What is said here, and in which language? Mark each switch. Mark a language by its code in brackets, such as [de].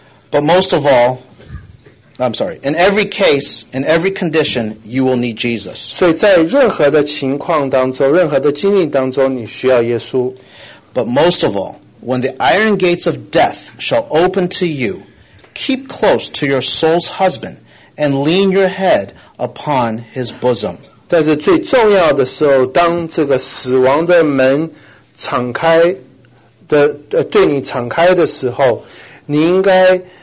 [en] But most of all, I'm sorry, in every case, in every condition, you will need Jesus. [zh] 所以在任何的情况当中，任何的经历当中，你需要耶稣。 [en] But most of all, when the iron gates of death shall open to you, keep close to your soul's husband and lean your head upon his bosom. [zh] 但是最重要的时候，当这个死亡的门敞开的，对你敞开的时候，你应该。